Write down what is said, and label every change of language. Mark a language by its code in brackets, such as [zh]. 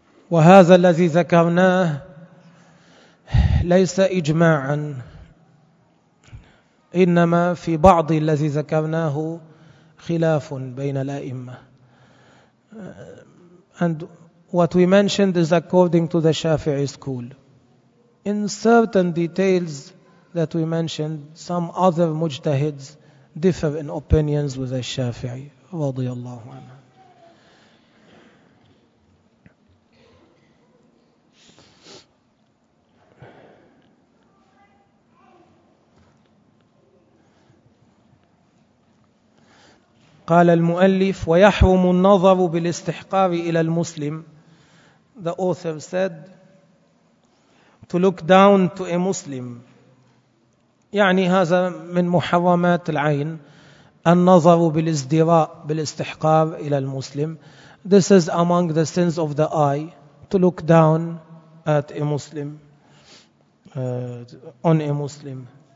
[ar] وهذا الذي ذكرناه ليس إجماعا، إنما في بعض الذي ذكرناه خلاف بين الأئمة. [en] And what we mentioned is according to the Shafi'i school. In certain details that we mentioned, some other mujtahids differ in opinions with the Shafi'i [ar] رضي الله عنه. قال المؤلف ويحرم النظر بالاستحقار إلى المسلم. [en] The author said to look down to a Muslim. [ar] يعني هذا من محرمات العين، النظر بالازدراء بالاستحقار إلى المسلم. [en] This is among the sins of the eye, to look down at a Muslim, on a Muslim.